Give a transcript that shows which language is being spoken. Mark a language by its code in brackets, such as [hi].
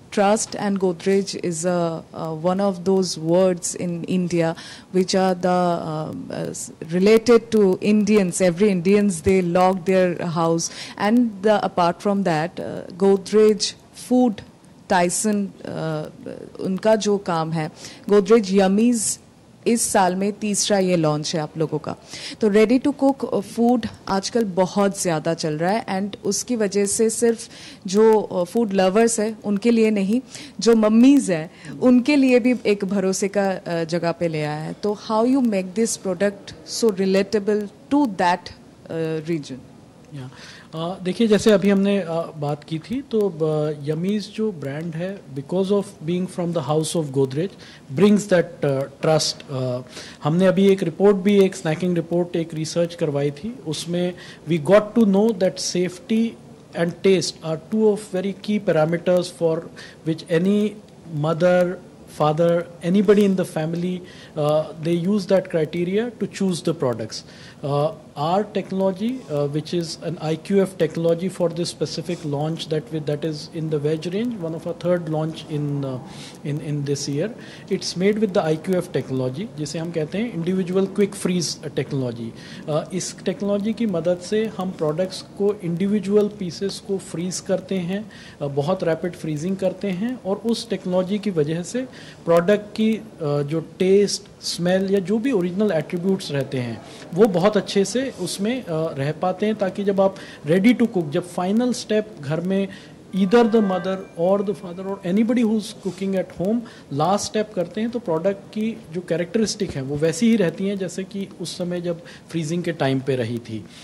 [en] Trust and Godrej is one of those words in India which are the related to Indians. Every Indians, they lock their house. And the, apart from that, [hi] Godrej Food Tyson, unka jo kaam hai, Godrej Yummies, इस साल में तीसरा ये launch है आप लोगों का। तो रेडी टू कुक फूड आजकल बहुत ज़्यादा चल रहा है, एंड उसकी वजह से सिर्फ जो फूड लवर्स है उनके लिए नहीं, जो मम्मीज़ हैं उनके लिए भी एक भरोसे का जगह पे ले आया है। [en] तो how you make this product so relatable to that reason? [hi] देखिए, जैसे अभी हमने बात की थी, तो यमीज जो ब्रांड है, [en] Because of being from the house of Godrej, brings that trust. [hi] हमने अभी एक रिपोर्ट भी, एक स्नैकिंग रिपोर्ट, एक रिसर्च करवाई थी, उसमें [en] We got to know that safety and taste are two of very key parameters for which any mother, father, anybody in the family, they use that criteria to choose the products. Our technology, which is an IQF technology for this specific launch that is in the veg range, one of our third launch in this year, it's made with the IQF technology, [hi] jise hum kehte hain [en] individual quick freeze technology. [hi] Is technology ki madad se hum products ko individual pieces ko freeze karte hain, bahut rapid freezing karte hain, aur us technology ki wajah se product की जो test, smell या जो भी original attributes रहते हैं वो बहुत अच्छे से उसमें रह पाते हैं, ताकि जब आप रेडी टू कुक, जब फाइनल स्टेप घर में [en] either the mother और the father और anybody who is cooking at home [hi] last step करते हैं, तो प्रोडक्ट की जो कैरेक्टरिस्टिक हैं वो वैसी ही रहती हैं जैसे कि उस समय जब फ्रीजिंग के टाइम पर रही थी।